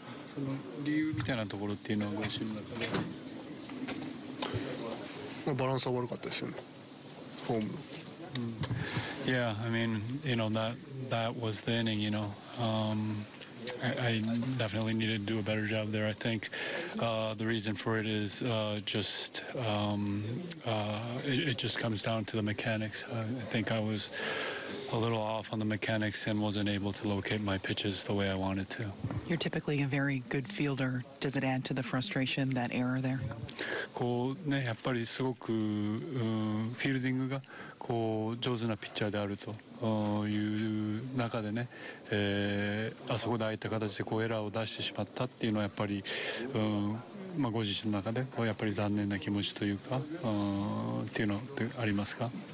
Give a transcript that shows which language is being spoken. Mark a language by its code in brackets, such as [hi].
[ja] その理由みたいなところっていうのはご自身の中で、まあ、バランスは悪かったですよねフォームの、 [en] Yeah, I mean, you know, that was the inning, you know、I definitely need to do a better job there. I think the reason for it is it just comes down to the mechanics. I think I was a little off on the mechanics and wasn't able to locate my pitches the way I wanted to. You're typically a very good fielder. Does it add to the frustration, that error there? [ja] こうね、やっぱりすごく、フィールディングがこう上手なピッチャーであるという中でね、あそこでああいった形でこうエラーを出してしまったっていうのはやっぱり、まあ、ご自身の中でこうやっぱり残念な気持ちというか、っていうのってありますか、